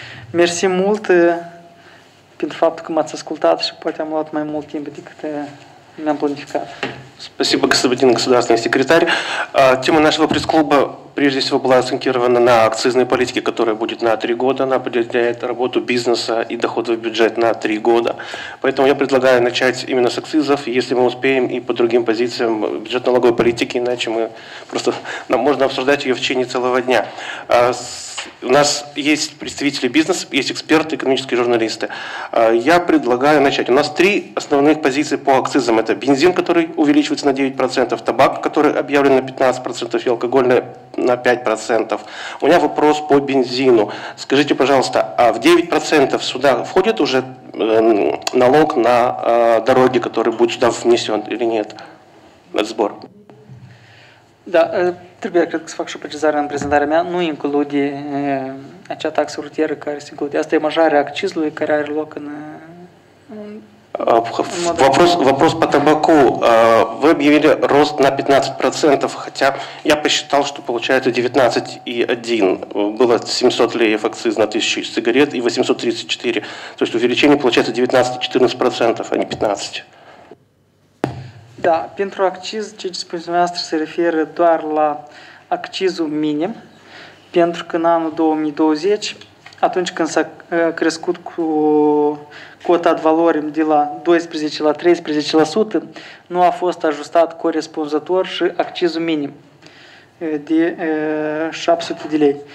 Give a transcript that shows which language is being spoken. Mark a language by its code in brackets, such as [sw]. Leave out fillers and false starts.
[ro] Mersi mult pentru faptul că m-ați ascultat și poate am luat mai mult timp decât mi-am planificat. [ru] Спасибо, господин государственный секретарь. Тема нашего пресс-клуба прежде всего была акцентирована на акцизной политике, которая будет на 3 года. Она определяет работу бизнеса и доходы в бюджет на 3 года. Поэтому я предлагаю начать именно с акцизов, если мы успеем, и по другим позициям бюджетно-налоговой политики, иначе мы просто нам можно обсуждать ее в течение целого дня. У нас есть представители бизнеса, есть эксперты, экономические журналисты. Я предлагаю начать. У нас три основных позиции по акцизам. Это бензин, который увеличивается на 9%, табак, который объявлен на 15%, и алкогольный на 5%. У меня вопрос по бензину. Скажите, пожалуйста, а в 9% сюда входит уже налог на дороги, который будет сюда внесен или нет? Этот сбор. [ro] Да, trebuie, cred că, să fac și o precizare în prezentarea mea, nu include acea taxă rutieră care se include. Asta e majarea accizului care are loc în... [ru] Вопрос по табаку. Вы объявили рост на 15%, хотя я посчитал, что получается 19,1. Было 700 леев акциз на 1000 сигарет и 834. То есть увеличение получается 19-14%, а не 15%. [ro] Da, pentru acciz, ceea ce spuneți dumneavoastră se referă doar la accizul minim, pentru că în anul 2020, atunci când s-a crescut cu cota ad valorem de la 12% la 13%, nu a fost ajustat corespunzător și accizul minim de 700 de lei.